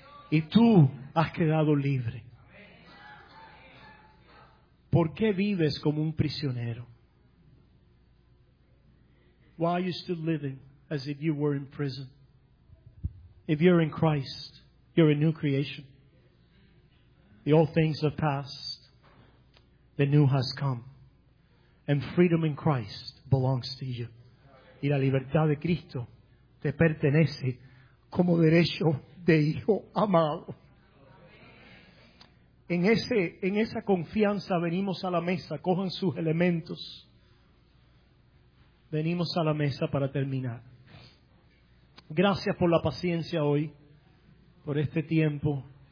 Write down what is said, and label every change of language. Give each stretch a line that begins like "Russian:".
Spanish: Y tú has quedado libre. ¿Por qué vives como un prisionero?
English: Why are you still living as if you were in prison? If you're in Christ, you're a new creation. The old things have passed. The new has come. And freedom in Christ belongs to you.
Spanish: Y la libertad de Cristo te pertenece como derecho de hijo amado. En esa confianza venimos a la mesa. Cojan sus elementos. Venimos a la mesa para terminar. Gracias por la paciencia hoy, por este tiempo.